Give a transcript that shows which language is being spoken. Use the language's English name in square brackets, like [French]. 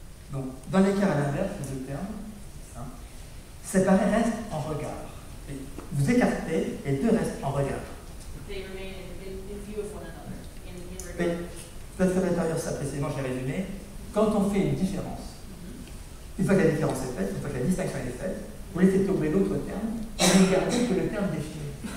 [French] Dans l'écart à l'inverse, les deux termes, ça, séparés restent en regard. Vous écartez et deux restent en regard. [English] They remain in view of one another. [French] Mais, ça, précisément, j'ai résumé. Quand on fait une différence, une fois que la différence est faite, une fois que la distinction est faite, vous laissez tomber l'autre terme et vous gardez que le terme défini.